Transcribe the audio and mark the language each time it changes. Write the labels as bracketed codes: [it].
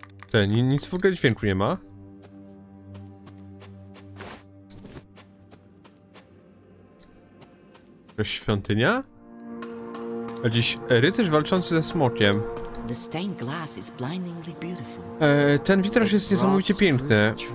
[pl] Ty, nic w ogóle dźwięku nie ma. Świątynia? A dziś rycerz walczący ze smokiem. [en] The stained glass is blindingly beautiful. [pl] Ten witraż jest niesamowicie piękny.